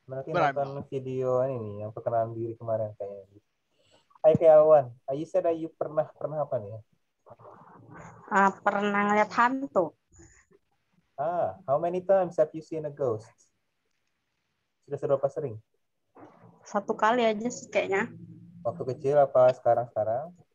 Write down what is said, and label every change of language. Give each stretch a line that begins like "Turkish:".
Indonesian: Berarti nonton video ini yang perkenalan diri kemarin kayaknya.
English: Hai Kelwan, you said that you
Indonesian: pernah apa nih? Pernah ngeliat hantu.
English: Ah, how many times have you seen a ghost?
Indonesian: Sudah seberapa sering? Satu kali aja sih kayaknya. Waktu kecil apa sekarang-sekarang?